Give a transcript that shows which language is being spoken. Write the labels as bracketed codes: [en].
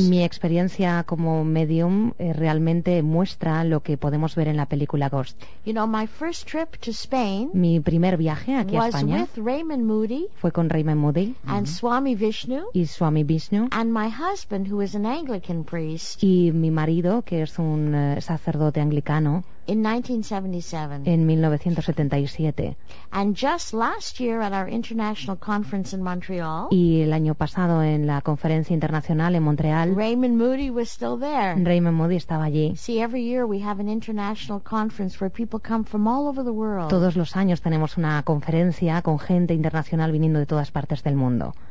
[es] Mi experiencia como medium realmente muestra lo que podemos ver en la película Ghost. [en] You know, my first trip to Spain, [es] mi primer viaje aquí a España, [en] was with Raymond Moody, [es] fue con Raymond Moody, [en] and Swami Vishnu, [es] y Swami Vishnu, [en] and my husband, who is an Anglican priest, [es] y mi marido, que es un sacerdote anglicano. [en] In 1977. [es] En 1977. [en] And just last year at our international conference in Montreal. [es] Y el año pasado en la conferencia internacional en Montreal. [en] Raymond Moody was still there. [es] Raymond Moody estaba allí. [en] See, every year we have an international conference where people come from all over the world. [es] Todos los años tenemos una conferencia con gente internacional viniendo de todas partes del mundo.